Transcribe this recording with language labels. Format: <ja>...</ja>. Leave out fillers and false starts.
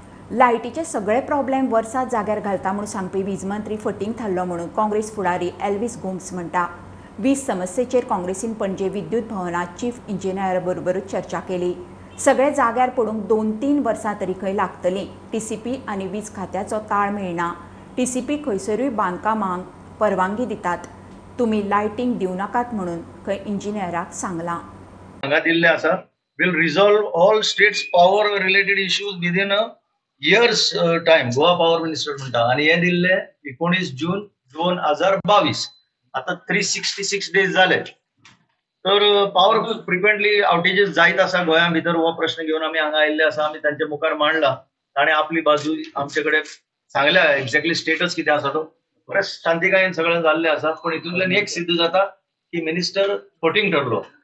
<gom>लायटीचे सगळे प्रॉब्लेम वर्सात जाग्यार घालता म्हणून सांगपी वीजमंत्री फटींग थारलो म्हणून काँग्रेस फुडारी एल्विस गोम्स म्हणटा. वीज समस्येचेर काँग्रेसीन पणजे विद्युत भवनात चीफ इंजिनियर बरोबरूच चर्चा केली. सगळे जाग्यार पडूंक 2-3 वर्सां तरी खंय लागतली. TCP आणि वीज खात्याचो ताळ मेळना. TCP खंयसरूय बांदकामांक परवानगी दितात. तुम्ही लायटींग देऊ नकात म्हणून खंय इंजिनियराक सांगला. हांगा दिल्ले आसा</gom> <en>will resolve all states power related issues within a year's time.</en> <gom>Goa power minister mhanta ani he dille 19 June 2022 ata 366 days zale तर</gom> <en>power frequently outages</en> <gom>जायत असा गोयां भितर हो प्रश्न घेऊन आम्ही हांगा आयले असा आम्ही त्यांच्या मुखार मांडला आणि आपली बाजू आमच्याकडे सांगल्या एक्झॅक्टली स्टेटस किती असा तो बरेच शांतीकायेन सगळं झालेलं असा पण इथून एक सिद्ध जाता की मिनिस्टर फोटिंग ठरलो</gom>